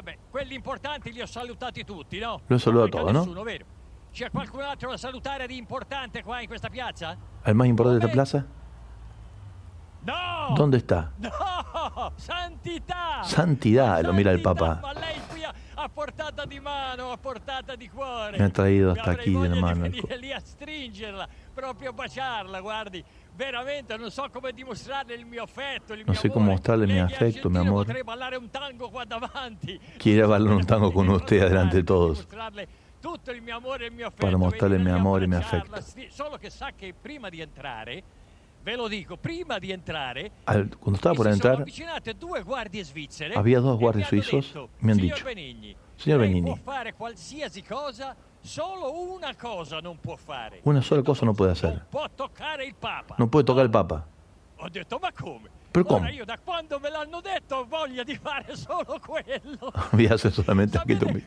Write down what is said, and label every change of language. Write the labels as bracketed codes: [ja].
[it] Quelli importanti li ho salutati tutti, no? [es] Lo saluto a todos, ¿no? [it] C'è qualcun altro da salutare di importante qua in questa piazza? [es] ¿Al más importante de esta plaza? No. ¿Dónde está? No. Santidad. Santidad, lo mira el Papa. [it] A portata di mano, a portata di cuore. [es] Me ha traído hasta aquí de la mano. [it] Lì a stringerla, proprio baciarla, guardi. Veramente non so come dimostrarle il mio affetto, il mio Non so come mostrarle il mio affetto, mio amore. Potrei ballare un tango qua davanti. [es] Quiero bailar un tango con usted adelante de todos. [it] Tutto il mio amore e il mio affetto. [es] Para mostrarle mi amor y mi afecto. [it] Solo che sa che prima di entrare. Ve lo dico, prima di entrare, quando stavo per entrare, due guardie svizzere, [es] había dos guardias suizos, [it] mi hanno [es] dicho: [it] Signor Benigni, può fare qualsiasi cosa, solo una cosa non può fare. Una sola cosa non può fare. Può toccare il Papa. Non può toccare il Papa. Ho detto, ma come? Per come? Ora io da quando me l'hanno detto ho voglia di fare solo quello. Vi asso solamente anche tu, che